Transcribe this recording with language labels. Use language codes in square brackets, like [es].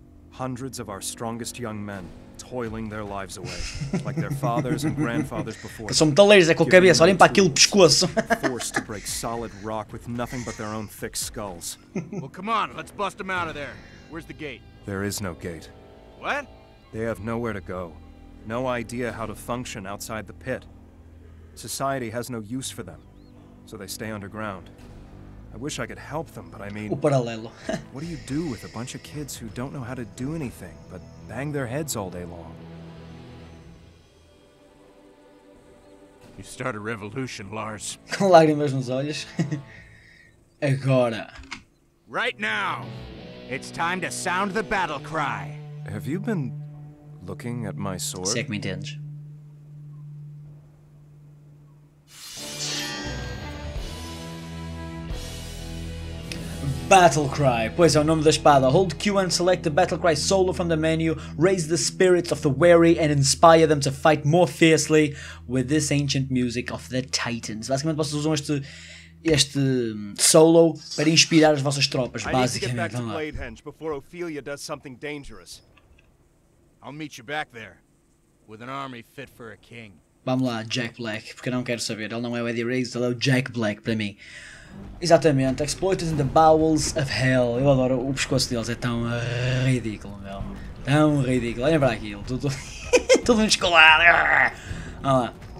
[en] Hundreds of our strongest young men toiling their lives away, like their fathers and grandfathers before. [pt] São metaleiros, é com a cabeça, olhem para aquele pescoço. [en] Forced to break solid rock with nothing but their own thick skulls. Well, come on, let's bust them out of there. Where's the gate? There is no gate. What? They have nowhere to go. No idea how to function outside the pit. Society has no use for them, so they stay underground. I wish I could help them, but I mean... [pt] O paralelo. [en] What do you do with a bunch of kids who don't know how to do anything, but bang their heads all day long? You start a revolution, Lars. [pt] Com lágrimas nos olhos. Agora. [en] Right now! It's time to sound the battle cry. Have you been looking at my sword? [pt] Se é que me entendes. [en] Battle cry. [pt] Pois é, o nome da espada. [en] Hold Q and select the battle cry solo from the menu. Raise the spirits of the weary and inspire them to fight more fiercely with this ancient music of the Titans. [pt] Basicamente vocês usam este solo para inspirar as vossas tropas, basicamente. [en] I need to get back to Bladehenge before Ophelia does something dangerous. I'll meet you back there with an army fit for a king. [pt] Vamos lá, Jack Black, porque eu não quero saber. Ele não é o Eddie Riggs, ele é o Jack Black para mim. Exatamente, [en] exploited in the bowels of hell. [pt] Eu adoro, o pescoço deles é tão ridículo, meu. Tão ridículo, olha para aquilo, tudo... tudo descolado. Vamos lá.